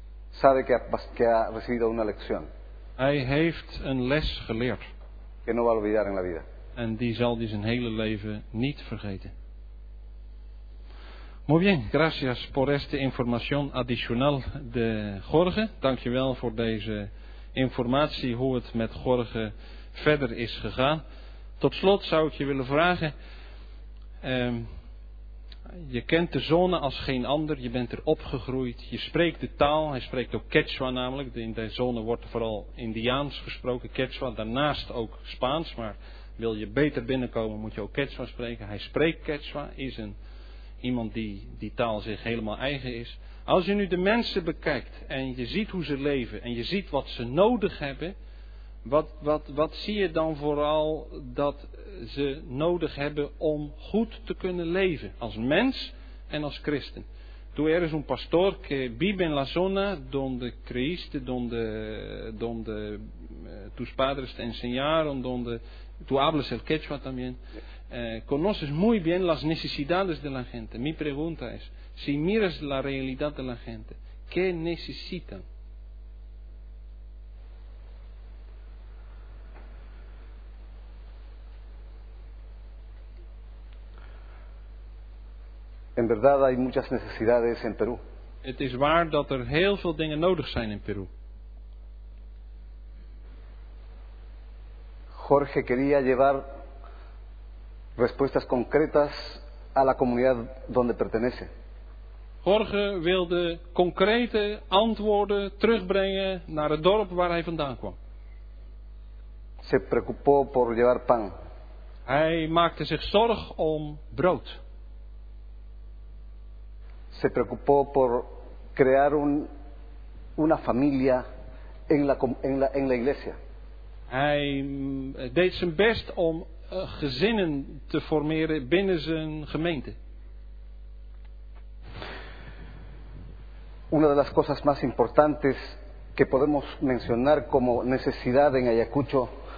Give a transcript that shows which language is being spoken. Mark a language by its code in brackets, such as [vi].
[es] Sabe que ha recibido una lección. [nl] Hij heeft een les geleerd. [es] Que no va a olvidar en la vida. [nl] En die zal hij zijn hele leven niet vergeten. [es] Muy bien, gracias por esta información adicional de Jorge. [nl] Dankjewel voor deze informatie hoe het met Jorge verder is gegaan. Tot slot zou ik je willen vragen. Je kent de zone als geen ander. Je bent er opgegroeid. Je spreekt de taal. Hij spreekt ook Quechua namelijk. In de zone wordt vooral Indiaans gesproken. Quechua. Daarnaast ook Spaans. Maar wil je beter binnenkomen moet je ook Quechua spreken. Hij spreekt Quechua. Is een iemand die die taal zich helemaal eigen is. Als je nu de mensen bekijkt. En je ziet hoe ze leven. En je ziet wat ze nodig hebben. Wat zie je dan vooral dat ze nodig hebben om goed te kunnen leven als mens en als christen? [es] Tú eres un pastor que vive en la zona donde creíste, donde tus padres te enseñaron, donde tú hablas el quechua también. Conoces muy bien las necesidades de la gente. Mi pregunta es, si miras la realidad de la gente, ¿qué necesitan? En verdad hay muchas necesidades en Perú. [nl] Het is waar dat er heel veel dingen nodig zijn in Peru. [es] Jorge quería llevar respuestas concretas a la comunidad donde pertenece. [nl] Jorge wilde concrete antwoorden terugbrengen naar het dorp waar hij vandaan kwam. [es] Se preocupó por llevar pan. [nl] Hij maakte zich zorg om brood. [es] Se preocupó por crear una familia en la iglesia. [nl] Hij deed zijn best om gezinnen te formeren binnen zijn gemeente. [es] Una de las cosas más importantes que podemos mencionar como necesidad en Ayacucho.